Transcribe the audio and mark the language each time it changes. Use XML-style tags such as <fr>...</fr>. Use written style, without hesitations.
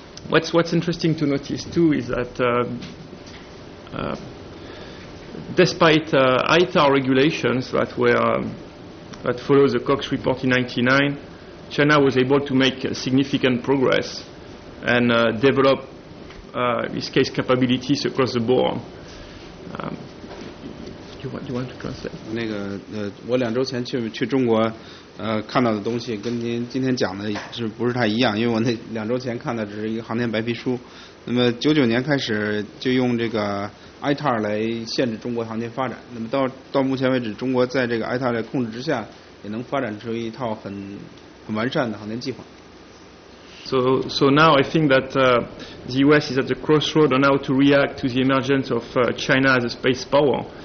<en>What's interesting to notice too is that despite ITAR regulations that were that follows the Cox report in 1999, China was able to make significant progress and develop its case capabilities across the board. Do you want to translate?</en> <zh>那个我两周前去中国，看到的东西跟您今天讲的是不是太一样？因为我那两周前看的只是一个航天白皮书。那么九九年开始就用这个ITAR 来限制中国航天发展，那么到目前为止，中国在这个ITAR 的控制之下，也能发展出一套很完善的航天计划。</zh> <en>So now I think that the US is at the crossroad on how to react to the emergence of China as a space power.</en>